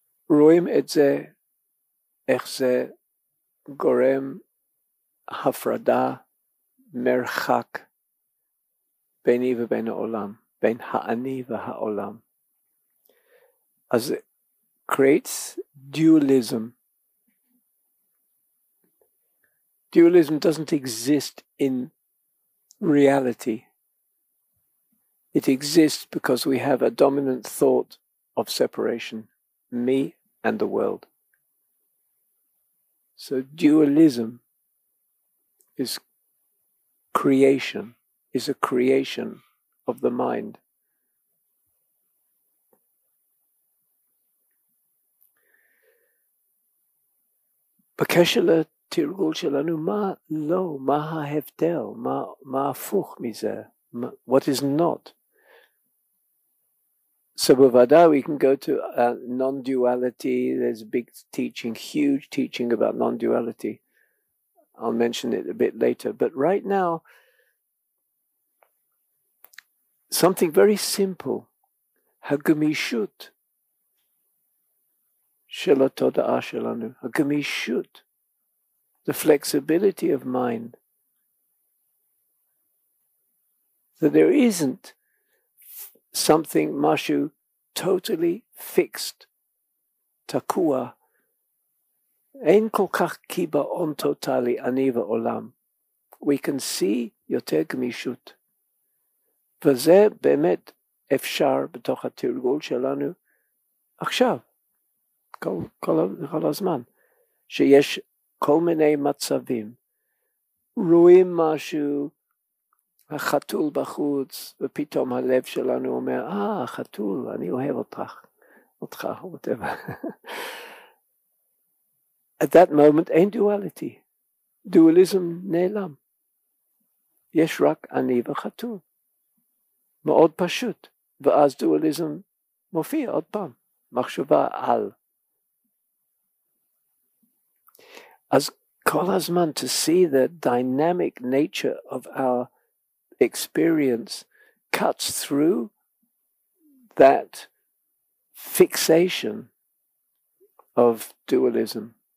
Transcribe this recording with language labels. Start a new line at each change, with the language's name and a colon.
Hebrew: רואים את זה, איך זה גורם הפרדה, מרחק ביני ובין העולם, בין האני והעולם. אז
English: it creates dualism. Dualism doesn't exist in reality. It exists because we have a dominant thought of separation, me and the world. So dualism is creation, is a creation of the mind.
Hebrew: בקשר לתרגול שלנו, מה לא, מה ההבדל, מה הפוך מזה,
English: what is not. So
Hebrew: בוודאי,
English: we can go to non-duality, there's a big teaching, huge teaching about non-duality. I'll mention it a bit later, but right now, something very simple,
Hebrew: הגמישות של התודעה שלנו, הגמישות,
English: the flexibility of mind, that there isn't something,
Hebrew: משהו,
English: totally fixed,
Hebrew: תקוע, אין כל כך קיבעון טוטלי, אני ועולם.
English: We can see
Hebrew: יותר גמישות. וזה באמת אפשר בתוך התרגול שלנו עכשיו, כל הזמן, שיש כל מיני מצבים. רואים משהו, החתול בחוץ, ופתאום הלב שלנו אומר, החתול, אני אוהב אותך,
English: whatever. At that moment,
Hebrew: אין
English: duality. Dualism
Hebrew: נעלם. יש רק אני וחתול. מאוד פשוט. ואז dualism מופיע עוד פעם. מחשבה על. אז כל הזמן,
English: to see the dynamic nature of our experience cuts through that fixation of dualism.